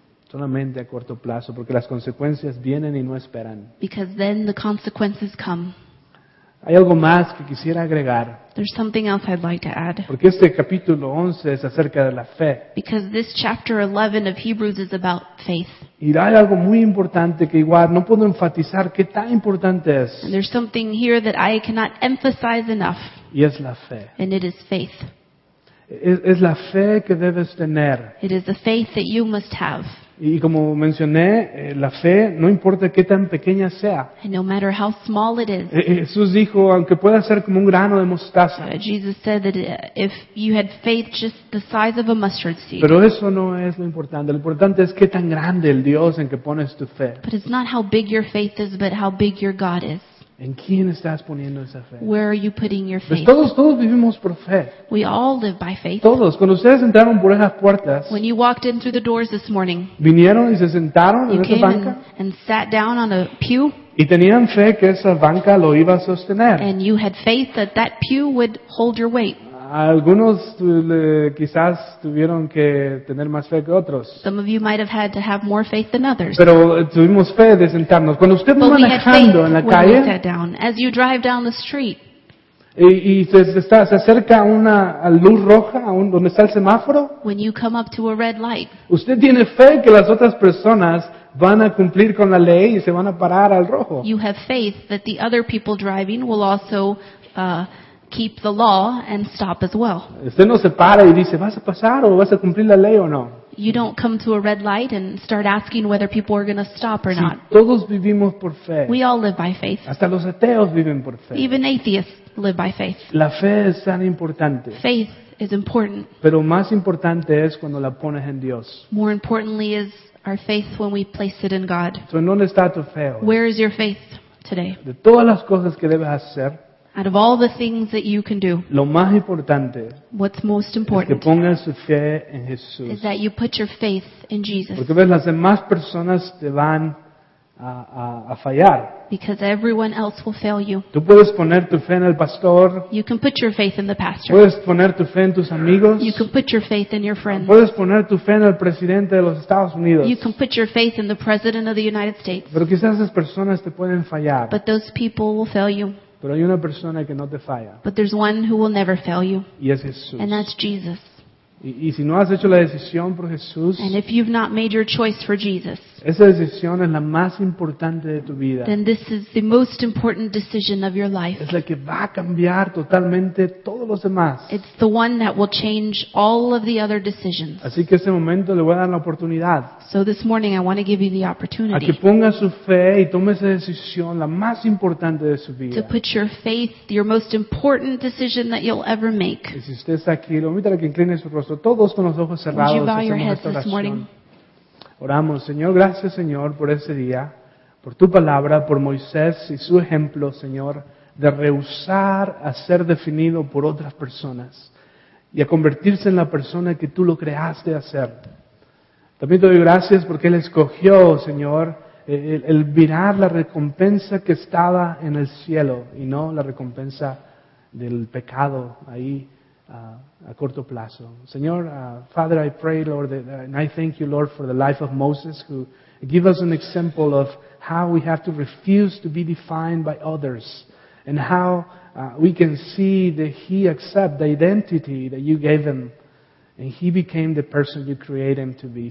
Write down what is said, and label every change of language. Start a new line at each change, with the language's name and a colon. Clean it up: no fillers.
Spanish: Solamente a corto plazo, porque las consecuencias vienen y no esperan.
English: Because then the consequences come.
Spanish: Hay algo más que quisiera agregar.
English: There's something else I'd like to add.
Spanish: Porque este capítulo 11 es acerca de la fe.
English: Because this chapter 11 of Hebrews is about faith.
Spanish: Y hay algo muy importante que igual no puedo enfatizar qué tan importante es.
English: And there's something here that I cannot emphasize enough.
Spanish: Y es la fe.
English: And it is faith.
Spanish: Es la fe que debes tener.
English: It is the faith that you must have.
Spanish: Y como mencioné, la fe no importa qué tan pequeña sea.
English: And no matter how small it is.
Spanish: Jesús dijo, aunque pueda ser como un grano de mostaza.
English: Jesus said that if you had faith just the size of a mustard seed.
Spanish: Pero eso no es lo importante. Lo importante es qué tan grande el Dios en que pones tu fe.
English: But it's not how big your faith is, but how big your God is.
Spanish: ¿En quién estás poniendo esa fe?
English: Where are you putting your faith?
Spanish: Pues todos vivimos por fe.
English: We all live by faith.
Spanish: Todos. Cuando ustedes entraron por esas puertas,
English: when you walked in through the doors this morning,
Spanish: vinieron y se sentaron en esa banca,
English: and sat down on a pew,
Spanish: y tenían fe que esa banca lo iba a sostener.
English: And you had faith that that pew would hold your weight.
Spanish: Algunos quizás tuvieron que tener más fe que otros.
English: Some of you might have had to have more faith than others.
Spanish: Pero tuvimos fe de sentarnos. Cuando usted va manejando en la calle,
English: as you drive down the street,
Spanish: y se acerca una luz roja donde está el semáforo,
English: when you come up to a red light,
Spanish: usted tiene fe que las otras personas van a cumplir con la ley y se van a parar al rojo.
English: You have faith that the other people driving will also keep the law and stop as well.
Spanish: Usted no se para y dice, ¿vas a pasar o vas a cumplir la ley o no?
English: You don't come to a red light and start asking whether people are going to stop or not.
Spanish: Todos vivimos por fe.
English: We all live by faith.
Spanish: Hasta los ateos viven por fe.
English: Even atheists live by faith.
Spanish: La fe es tan importante.
English: Faith is important.
Spanish: Pero más importante es cuando la pones en Dios.
English: More importantly is our faith when we place it in God.
Spanish: So, ¿en dónde está tu fe hoy?
English: Where is your faith today?
Spanish: De todas las cosas que debes hacer,
English: out of all the things that you can do,
Spanish: lo más importante,
English: what's most important,
Spanish: es que pongas tu fe en Jesús,
English: is that you put your faith in Jesus.
Spanish: Porque ves, las demás personas te van a fallar.
English: Because everyone else will fail you.
Spanish: Tú puedes poner tu fe en el pastor.
English: You can put your faith in the pastor.
Spanish: Puedes poner tu fe en tus amigos.
English: You can put your faith in your friends.
Spanish: Puedes poner tu fe en el presidente de los Estados Unidos.
English: You can put your faith in the president of the United States.
Spanish: Pero quizás esas personas te pueden fallar.
English: But those people will fail you.
Spanish: Pero hay una persona que no te falla.
English: But there's one who will never fail you.
Spanish: Y es Jesús.
English: And that's Jesus.
Spanish: Y si no has hecho la decisión por Jesús,
English: and if you've not made your choice for Jesus,
Spanish: esa decisión es la más importante de tu vida.
English: Then this is the most important decision of your life.
Spanish: Es la que va a cambiar totalmente todos los demás.
English: It's the one that will change all of the other decisions.
Spanish: Así que este momento le voy a dar la oportunidad.
English: So this morning I want to give you the opportunity.
Spanish: A que ponga su fe y tome esa decisión la más importante de su vida.
English: To put your faith, your most important decision that you'll ever make.
Spanish: Y si usted está aquí, lo invito a que incline su rostro, todos con los ojos cerrados, hacemos esta oración. Oramos, Señor, gracias, Señor, por ese día, por tu palabra, por Moisés y su ejemplo, Señor, de rehusar a ser definido por otras personas y a convertirse en la persona que tú lo creaste a ser. También te doy gracias porque Él escogió, Señor, el mirar la recompensa que estaba en el cielo y no la recompensa del pecado ahí a corto plazo.
English: Señor, Father, I pray, Lord, and I thank you, Lord, for the life of Moses, who give us an example of how we have to refuse to be defined by others, and how we can see that he accepted the identity that you gave him, and he became the person you created him to be.